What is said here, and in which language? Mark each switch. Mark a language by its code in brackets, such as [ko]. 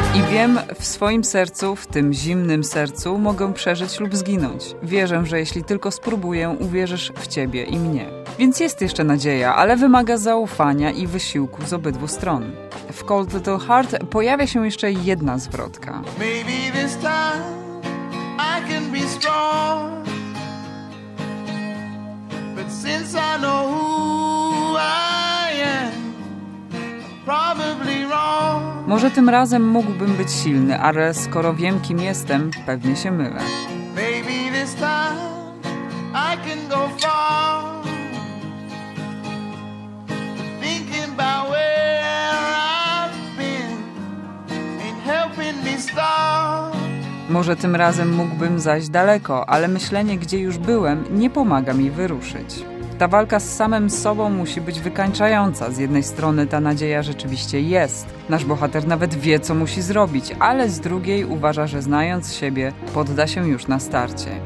[pl] Wiem, w swoim sercu, w tym zimnym sercu, mogę przeżyć lub zginąć. Wierzę, że jeśli tylko spróbuję, uwierzysz w ciebie i mnie. Więc jest jeszcze nadzieja, ale wymaga zaufania i wysiłku z obydwu stron. W Cold Little Heart pojawia się jeszcze jedna zwrotka. [en] Maybe this time I can be strong. But since I know who I am, probably wrong. [pl] Może tym razem mógłbym być silny, ale skoro wiem, kim jestem, pewnie się mylę. [en] Maybe this time I can go far. Thinking about where I've been and helping me start. [pl] Może tym razem mógłbym zajść daleko, ale myślenie, gdzie już byłem, nie pomaga mi wyruszyć. Ta walka z samym sobą musi być wykańczająca. Z jednej strony ta nadzieja rzeczywiście jest. Nasz bohater nawet wie, co musi zrobić, ale z drugiej uważa, że znając siebie, podda się już na starcie.